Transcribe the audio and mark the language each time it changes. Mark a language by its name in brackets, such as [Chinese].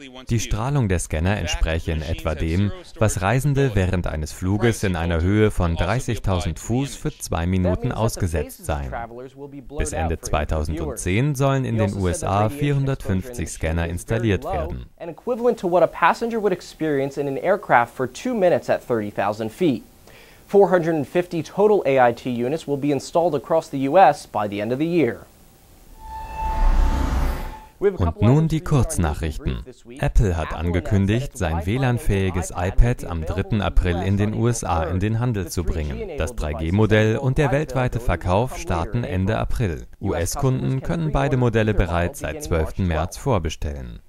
[German] Die Strahlung der Scanner entspräche in etwa dem, was Reisende während eines Fluges in einer Höhe von 30.000 Fuß für 2 Minuten ausgesetzt seien. Bis Ende 2010 sollen in den USA 450 Scanner installiert werden. [English] An equivalent to what a passenger would experience in an aircraft for 2 minutes at 30,000 feet. 450 total AIT units will be installed across the US by the end of the year. [German] Und nun die Kurznachrichten. Apple hat angekündigt, sein WLAN-fähiges iPad am 3. April in den USA in den Handel zu bringen. Das 3G-Modell und der weltweite Verkauf starten Ende April. US-Kunden können beide Modelle bereits seit 12. März vorbestellen.